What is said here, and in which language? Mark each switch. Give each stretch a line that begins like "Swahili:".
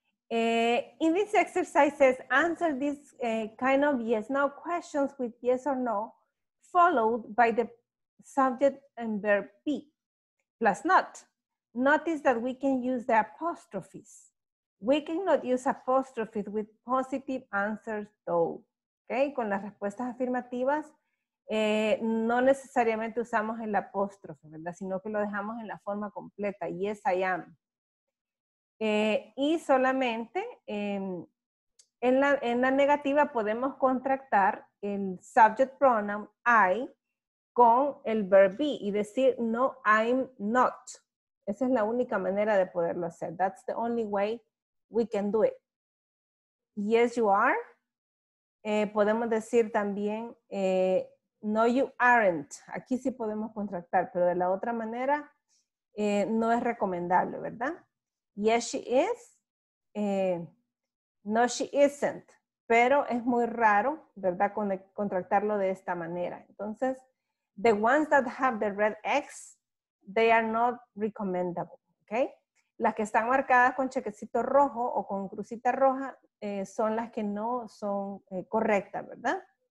English: in this exercise says, answer this kind of yes-no questions with yes or no, followed by the subject and verb be, plus not. Notice that we can use the apostrophes. We cannot use apostrophes with positive answers though.
Spanish: Okay, con las respuestas afirmativas, no necesariamente usamos el apóstrofe, ¿verdad? Sino que lo dejamos en la forma completa, yes I am. Y solamente en la negativa podemos contractar el subject pronoun I con el verb be y decir no, I'm not. Esa es la única manera de poderlo hacer.
English: That's the only way we can do it. Yes, you are.
Spanish: Podemos decir también
English: no, you aren't.
Spanish: Aquí sí podemos contractar, pero de la otra manera no es recomendable, ¿verdad?
English: Yes, she is. No, she isn't.
Spanish: Pero es muy raro, ¿verdad? Contractarlo de esta manera.
English: Entonces, the ones that have the red X, they are not recommendable. Okay?
Spanish: Las que están marcadas con chequecito rojo o con crucita roja son las que no son correctas, ¿verdad?